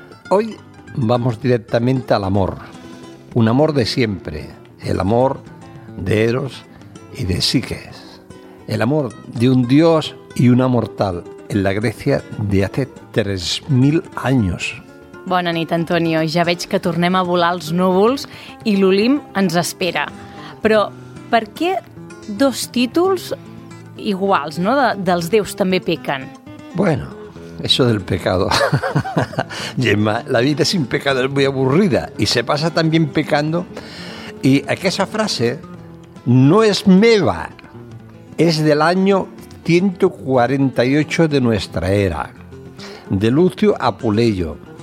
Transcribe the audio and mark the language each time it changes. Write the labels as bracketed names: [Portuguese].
[Spanish] Hoy vamos directamente al amor. Un amor de siempre. El amor de Eros y de Psique. El amor de un dios y una mortal en la Grecia de hace 3.000 años. [Catalan] Bona nit, Antonio. Ja veig que tornem a volar els núvols i l'Olimp ens espera. Però per què dos títols iguals, no? Dels déus també pequen. [Spanish] Bueno, eso del pecado. Gemma, la vida sin pecado es muy aburrida y se pasa también pecando. Y aquella frase no es [Catalan] meva, [Spanish] es del año 148 de nuestra era, de Lucio Apuleio.